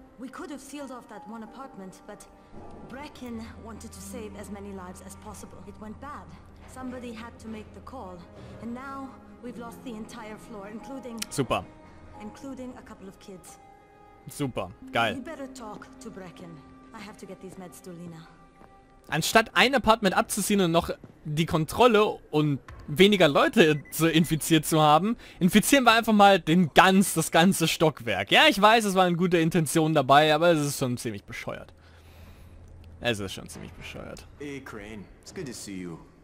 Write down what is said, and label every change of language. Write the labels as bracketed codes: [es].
[en] We could have sealed off that one apartment, but Brecken wanted to save as many lives as possible. It went bad. Somebody had to make the call, and now we've lost the entire floor, including. [de] Super. [en] Including a couple of kids. [de] Super, geil. [en] You better talk to Brecken. I have to get these meds to Lena. [de] Anstatt ein Apartment abzuziehen und noch die Kontrolle und weniger Leute zu infiziert zu haben, infizieren wir einfach mal das ganze Stockwerk. Ja, ich weiß, es waren gute Intentionen dabei, aber es ist schon ziemlich bescheuert. [en] Hey Crane, it's good to see you.